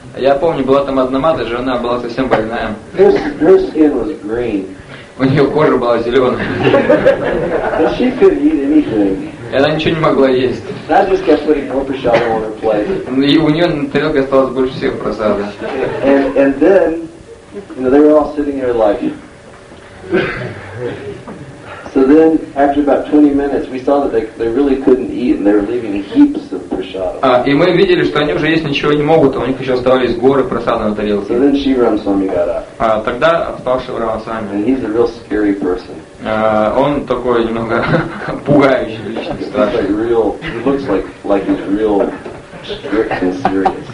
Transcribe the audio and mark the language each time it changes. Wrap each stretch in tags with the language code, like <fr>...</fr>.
<ru>Я помню, была там одна мадхи, она была совсем больная.</ru> <en>Her skin was green.</en> <ru>У нее кожа была зеленая.</ru> <en>But she couldn't eat anything.</en> <ru>И она ничего не могла есть.</ru> <en>That just kept putting more prasadam on her plate.</en> <ru>И у нее на тарелке осталось больше всего прасада.</ru> <en>And then, you know, they were all sitting there like. So then, after about 20 minutes, we saw that they really couldn't eat, and they were leaving heaps of prasadam.</en> <ru>А и мы видели, что они уже есть ничего не могут, у них еще оставались горы прасада на тарелке.</ru> <en>So then Shivram Swami got up.</en> <ru>А тогда встал Шивра Масами.</ru> <en>And he's a real scary person.</en> <ru>Он такой немного пугающий личность, страшный.</ru> <en>Looks like he's real strict and serious.</en>